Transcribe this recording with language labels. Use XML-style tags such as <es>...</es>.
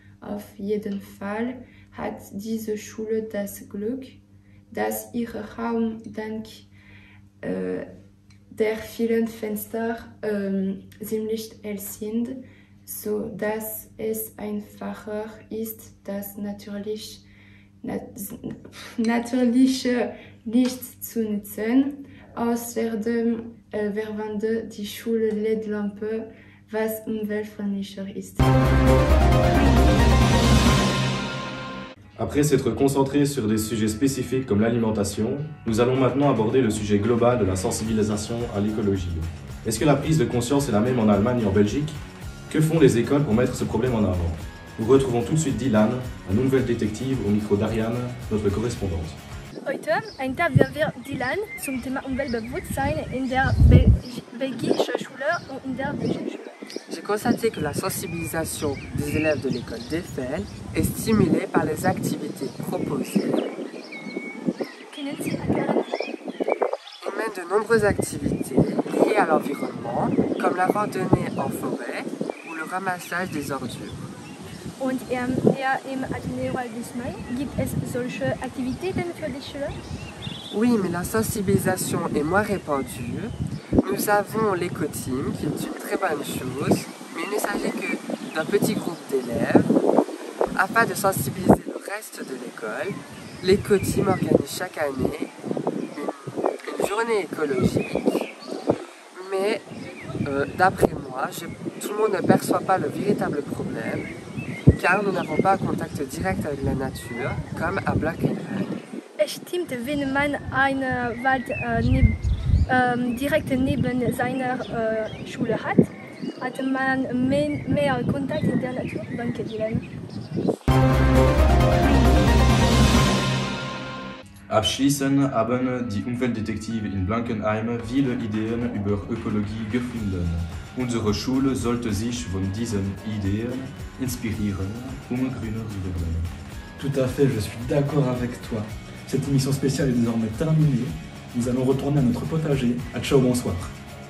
<de>Auf jeden Fall hat diese Schule das Glück, dass ihr Raum dank der vielen Fenster ziemlich hell sind, so dass es einfacher ist, das natürliche Licht zu nutzen. Außerdem verwendet die Schule LED-Lampe, was umweltfreundlicher ist.</de> <fr>Après s'être concentré sur des sujets spécifiques comme l'alimentation, nous allons maintenant aborder le sujet global de la sensibilisation à l'écologie. Est-ce que la prise de conscience est la même en Allemagne et en Belgique? Que font les écoles pour mettre ce problème en avant? Nous retrouvons tout de suite Dylan, un nouvel détective, au micro d'Ariane, notre correspondante.</fr> <de>Heute interviewen wir Dylan zum Thema Umweltbewusstsein in der belgischen Schule und in der belgischen Schule.</de> <fr>J'ai constaté que la sensibilisation des élèves de l'école d'Eiffel est stimulée par les activités proposées. On mène de nombreuses activités liées à l'environnement, comme la randonnée en forêt ou le ramassage des ordures.</fr> <de>Und im Athénée Royal de Sumaing gibt es solche Aktivitäten für die Schüler?</de> <fr>Oui, mais la sensibilisation est moins répandue. Nous avons l'éco-team, qui est une très bonne chose, mais il ne s'agit que d'un petit groupe d'élèves. Afin de sensibiliser le reste de l'école, l'éco-team organise chaque année une journée écologique, mais D'après moi, tout le monde ne perçoit pas le véritable problème, car nous n'avons pas un contact direct avec la nature, comme à Black and Red.</fr> <de>Ich denke, wenn man einen Wald direkt neben seiner Schule hat, hat man mehr Kontakt mit der Natur. Danke, Dylan. Abschließend haben die Umweltdetektive in Blankenheim viele Ideen über Ökologie gefunden. Unsere Schule sollte sich von diesen Ideen inspirieren, grüner zu werden.</de> <fr>Tout à fait, je suis d'accord avec toi. Cette émission spéciale est désormais terminée. Nous allons retourner à notre potager. À ciao, bonsoir.</fr>